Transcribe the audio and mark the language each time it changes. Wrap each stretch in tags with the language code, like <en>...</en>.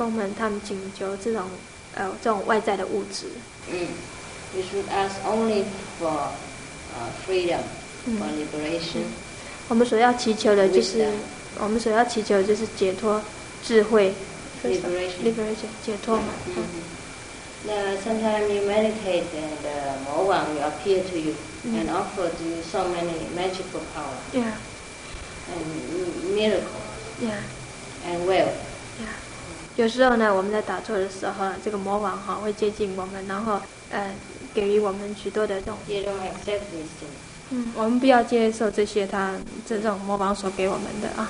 <zh>我们在打坐的时候，我们静坐的时候，就说千万不要向我们的师父们、师公们，他们请求这种外在的物质。</zh> <en>You should ask only for freedom, for liberation.</en> <zh>我们所要祈求的就是解脱、智慧。</zh> <en>Liberation.</en> <zh>解脱。</zh> <en>Sometimes you meditate and more one will appear to you and offer to you so many magical power and miracles and wealth.</en> <zh>有时候呢，我们在打坐的时候，这个魔王会接近我们，然后给予我们许多的这种。</zh> <en>You don't accept these things.</en> <zh>我们不要接受这些他这种魔王所给我们的。</zh>